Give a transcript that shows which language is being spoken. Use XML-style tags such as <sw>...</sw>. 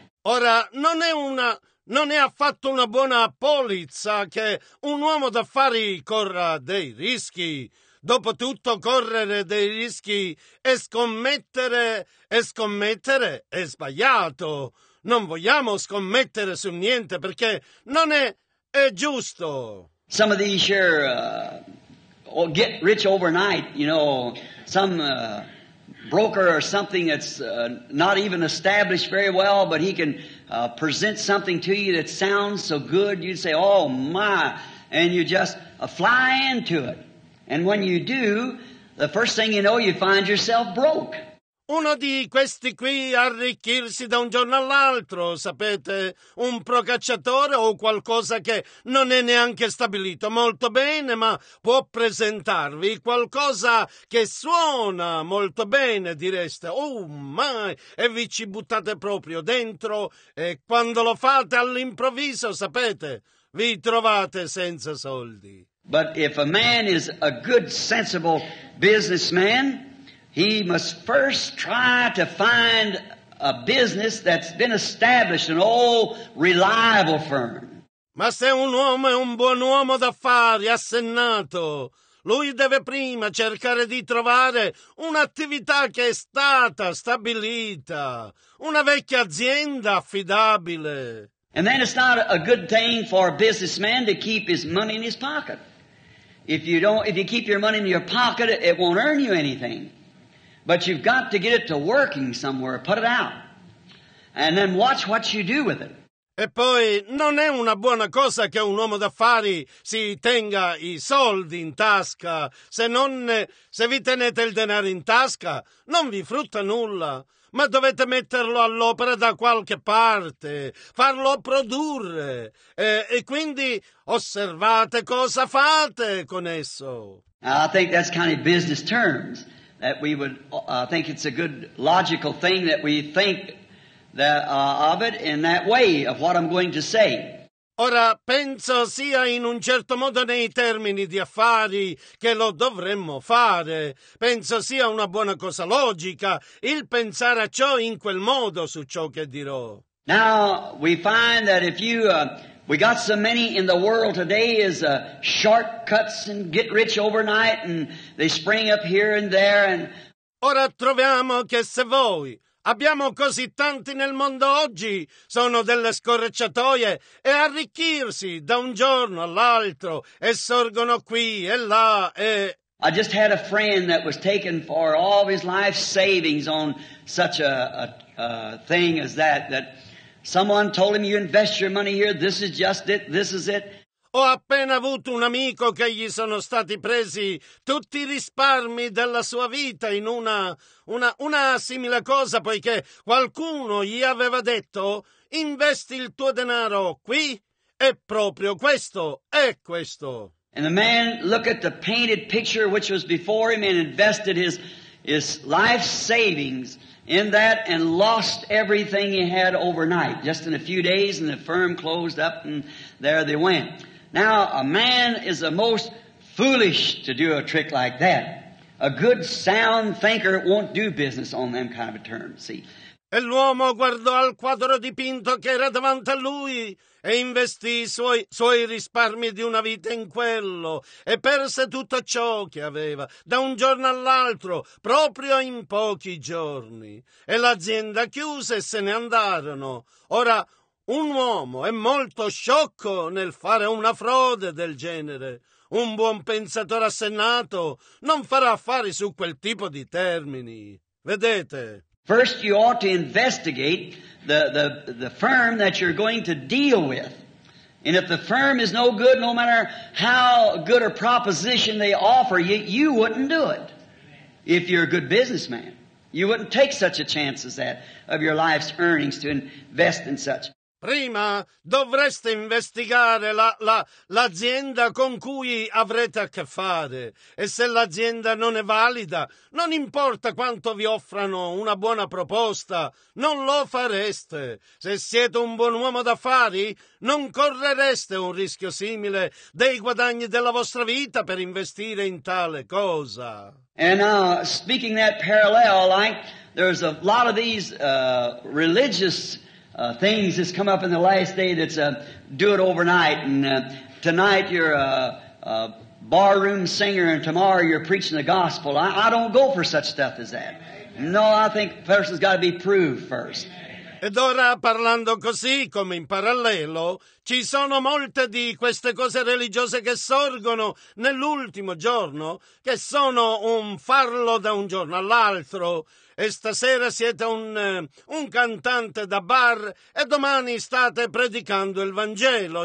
<it>Ora, non è affatto una buona polizza che un uomo d'affari corra dei rischi. Dopotutto, correre dei rischi e scommettere è sbagliato. Non vogliamo scommettere su niente perché non è giusto.</it> <en>Some of these here get rich overnight, you know, some broker or something that's not even established very well, but he can present something to you that sounds so good, you'd say, oh my, and you just fly into it. And when you do, the first thing you know, you find yourself broke.</en> <it>Uno di questi qui arricchirsi da un giorno all'altro, sapete, un procacciatore o qualcosa che non è neanche stabilito molto bene, ma può presentarvi qualcosa che suona molto bene, direste,</it> <en>oh my,</en> <it>e vi ci buttate proprio dentro, e quando lo fate all'improvviso, sapete, vi trovate senza soldi.</it> <en>But if a man is a good, sensible businessman, he must first try to find a business that's been established, an old, reliable firm.</en> <it>Ma se un uomo è un buon uomo d'affari, assennato, lui deve prima cercare di trovare un'attività che è stata stabilita, una vecchia azienda affidabile.</it> <en>And then it's not a good thing for a businessman to keep his money in his pocket. If you keep your money in your pocket, it won't earn you anything. But you've got to get it to working somewhere, put it out. And then watch what you do with it.</en> <it>E poi non è una buona cosa che un uomo d'affari si tenga i soldi in tasca. Se vi tenete il denaro in tasca, non vi frutta nulla. Ma dovete metterlo all'opera da qualche parte, farlo produrre, e quindi osservate cosa fate con esso.</it> <en>I think that's kind of business terms, that we would, I think it's a good logical thing that we think of it in that way of what I'm going to say.</en> <it>Ora penso sia in un certo modo nei termini di affari che lo dovremmo fare. Penso sia una buona cosa logica il pensare a ciò in quel modo su ciò che dirò.</it> <en>Now we find that if you we got so many in the world today is shortcuts and get rich overnight and they spring up here and there and</en> <it>ora troviamo che se voi abbiamo così tanti nel mondo oggi, sono delle scorrecciatoie, e arricchirsi da un giorno all'altro, e sorgono qui e là, e</it> <en>I just had a friend that was taken for all of his life savings on such a thing as that, that someone told him, you invest your money here, this is just it, this is it.</en> <it>Ho appena avuto un amico che gli sono stati presi tutti i risparmi della sua vita in una simile cosa, poiché qualcuno gli aveva detto, investi il tuo denaro qui, è proprio questo, è questo.</it> <en>And the man looked at the painted picture which was before him and invested his life savings in that and lost everything he had overnight, just in a few days, and the firm closed up and there they went. Now, a man is the most foolish to do a trick like that. A good, sound thinker won't do business on them kind of a term, see.</en> <it>E l'uomo guardò al quadro dipinto che era davanti a lui e investì i suoi risparmi di una vita in quello e perse tutto ciò che aveva da un giorno all'altro, proprio in pochi giorni. E l'azienda chiuse e se ne andarono. Ora, un uomo è molto sciocco nel fare una frode del genere. Un buon pensatore assennato non farà affari su quel tipo di termini. Vedete?</it> <en>First you ought to investigate the firm that you're going to deal with. And if the firm is no good, no matter how good a proposition they offer you, you wouldn't do it. If you're a good businessman, you wouldn't take such a chance as that of your life's earnings to invest in such.</en> <it>Prima dovreste investigare l'azienda con cui avrete a che fare. E se l'azienda non è valida, non importa quanto vi offrano una buona proposta, non lo fareste. Se siete un buon uomo d'affari, non correreste un rischio simile dei guadagni della vostra vita per investire in tale cosa.</it> <en>And speaking that parallel, like, there's a lot of these religious things that's come up in the last day that's do it overnight. And tonight you're a barroom singer and tomorrow you're preaching the gospel. I don't go for such stuff as that. No, I think a person's got to be proved first.</en> <it>Ed ora, parlando così, come in parallelo, ci sono molte di queste cose religiose che sorgono nell'ultimo giorno, che sono un farlo da un giorno all'altro. E stasera siete un cantante da bar e domani state predicando il Vangelo.</it>